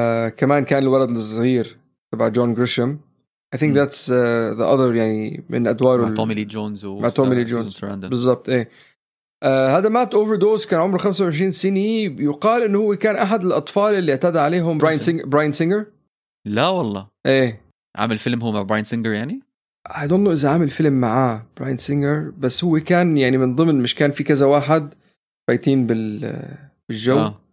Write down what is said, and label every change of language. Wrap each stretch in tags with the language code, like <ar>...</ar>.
<ar>كمان كان الولد الصغير تبع جون غريشم</ar> <en>I think that's the other</en> <ar>يعني من أدواره مع تومي لي جونز مع تومي لي جونز بالضبط. إيه هذا مات أوفردوز كان عمره 25 سنة. يقال إنه هو كان أحد الأطفال اللي اعتدى عليهم براين سينجر. لا والله إيه عامل فيلم هو مع براين سينجر يعني.</ar> <en>I don't know</en> <ar>إذا عامل فيلم معاه براين سينجر, بس هو كان يعني من ضمن مش كان في كذا واحد فايتين بالجو.</ar>